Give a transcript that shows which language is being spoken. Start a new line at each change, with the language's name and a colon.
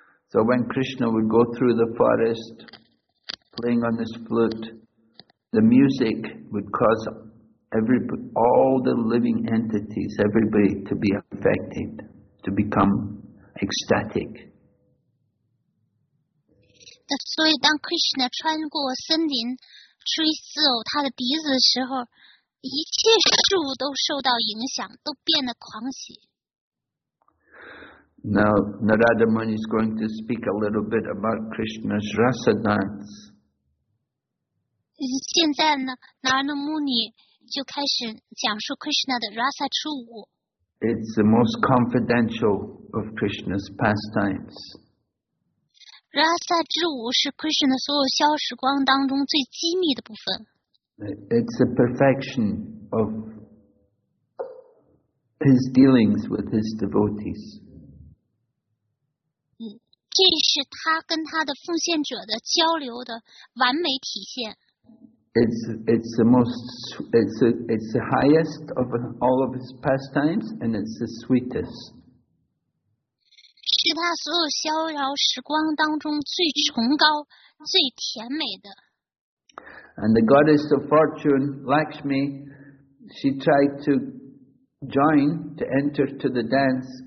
English: So when Krishna would go through the forest, playing on his flute. The music would cause all the living entities, everybody to be affected, to become ecstatic.
Chinese: 所以当 Krishna 穿过森林吹奏他的笛子的时候，一切事物都受到影响，都变得狂喜。
English: Now, Narada Muni is going to speak a little bit about Krishna's rasa dance.
Chinese: 现在呢 Narada Muni 就开始讲述 Krishna 的 Rasa 初舞。
English: It's the most confidential of Krishna's pastimes.
Chinese: Rasa 之舞是 Krishna 所有消时光当中最机密的部分。
English: It's the perfection of his dealings with his devotees.
Chinese: 这是他跟他的奉献者的交流的完美体现。
English: It's the highest of all of his pastimes, and it's the sweetest.
Chinese: 是他所有逍遥时光当中最崇高、最甜美的。
English: And the goddess of fortune, Lakshmi, she tried to join to enter to the dance.